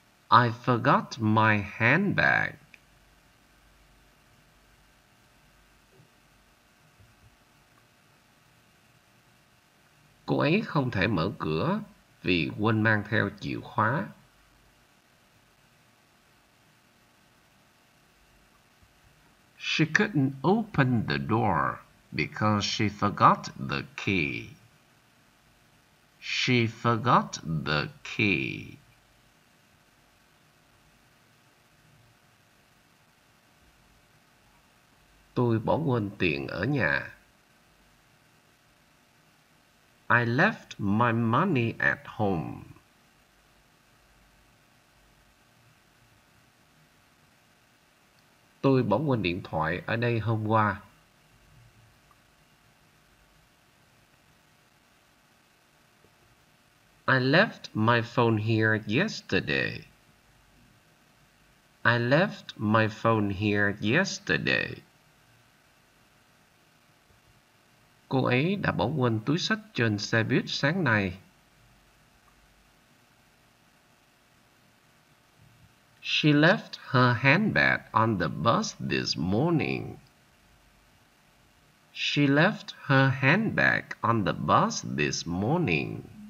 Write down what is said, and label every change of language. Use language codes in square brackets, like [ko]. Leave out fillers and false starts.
[en] I forgot my handbag. [vi] Cô ấy không thể mở cửa vì quên mang theo chìa khóa. [en] She couldn't open the door because she forgot the key. She forgot the key. [vi] Tôi bỏ quên tiền ở nhà. [en] I left my money at home. [vi] Tôi bỏ quên điện thoại ở đây hôm qua. [en] I left my phone here yesterday. I left my phone here yesterday. [vi] Cô ấy đã bỏ quên túi sách trên xe buýt sáng nay. [en] She left her handbag on the bus this morning. She left her handbag on the bus this morning.